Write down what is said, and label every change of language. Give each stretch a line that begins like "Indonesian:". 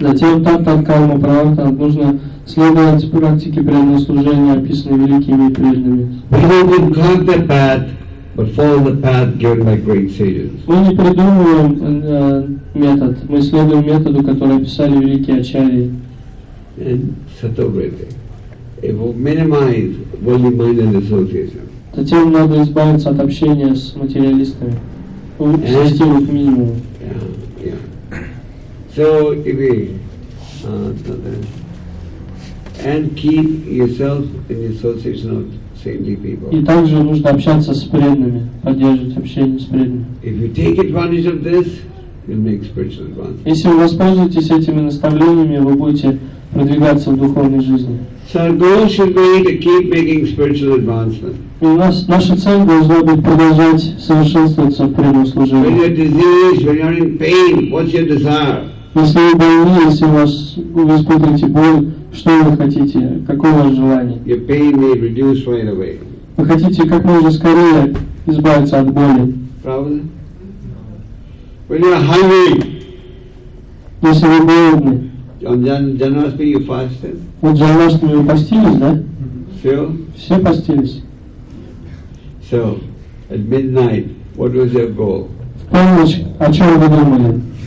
Russian: Затем
Sanskrit: tat-tat karma pravartana,
Russian: нужно следовать практике преданного служения, описанной великими и прежними.
English: We don't concoct the path, but follow the path given by great sages.
Russian: Мы не придумываем метод, мы следуем методу, который описали великие ачарьи.
English: And sato-vritti. It will minimize worldly-minded association.
Russian: Затем надо избавиться от общения с материалистами. Свести его к минимуму.
English: So, if we and keep yourself in the association of saintly people.
Russian: И также нужно общаться с преданными, поддерживать общение с преданными.
English: If you take advantage of this, you'll make spiritual advance.
Russian: Если вы воспользуетесь этими наставлениями, вы будете продвигаться в духовной жизни.
English: So our goal should be to keep making spiritual advancement.
Russian: И наша цель должна быть продолжать совершенствоваться в прямом служении.
English: When you're diseased, when you're in pain, what's your desire?
Russian: Если вы больны, если вы испытываете боль, что вы хотите? Какое ваше желание?
English: Your pain may reduce right away.
Russian: Вы хотите как можно скорее избавиться от боли. Правда?
English: When you're hungry,
Russian: если вы голодны,
English: on Janmashtami you fasted?
Russian: Вот Janmashtami вы постились, да? Все постились.
English: So, at midnight, what was your goal?
Russian: В полночь, о чем вы думали?